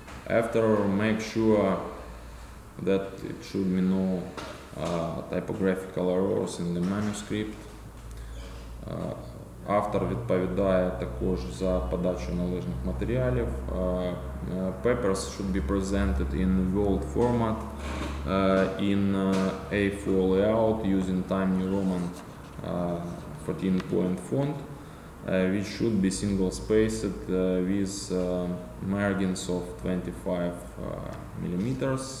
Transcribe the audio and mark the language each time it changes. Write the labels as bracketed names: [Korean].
[English] After make sure that it should be no typographical errors in the manuscript. [Ukrainian] Автор відповідає також за подачу належних матеріалів. [English] Papers should be presented in Word format, in A4 layout using Times New Roman 14-point font, which should be single-spaced with margins of 25 mm.